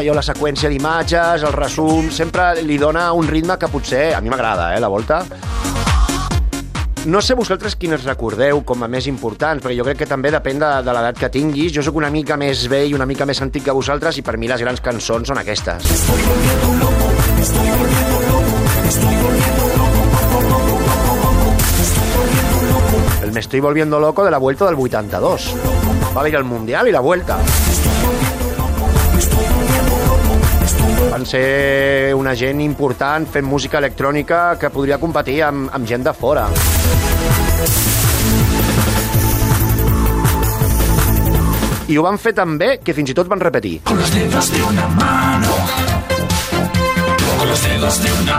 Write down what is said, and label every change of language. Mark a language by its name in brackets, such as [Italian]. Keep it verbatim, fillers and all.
[Catalan] Allò, la seqüència d'imatges, el resum... Sempre li dona un ritme que potser... A mi m'agrada, eh, la Volta. No sé vosaltres quines recordeu com a més importants, perquè jo crec que també depèn de, de l'edat que tinguis. Jo sóc una mica més vell, una mica més antic que vosaltres, i per mi les grans cançons són aquestes. [Spanish] Estoy volviendo loco, estoy volviendo loco, estoy volviendo loco, por todo loco. [Catalan] El Me estoy volviendo loco de la Vuelta del vuitanta-dos. Va a venir el Mundial i la Vuelta. Van ser una gent important fent música electrònica que podria competir amb, amb gent de fora. I ho van fer tan bé que fins i tot van repetir. [Spanish] Con los dedos de una mano, con los dedos de una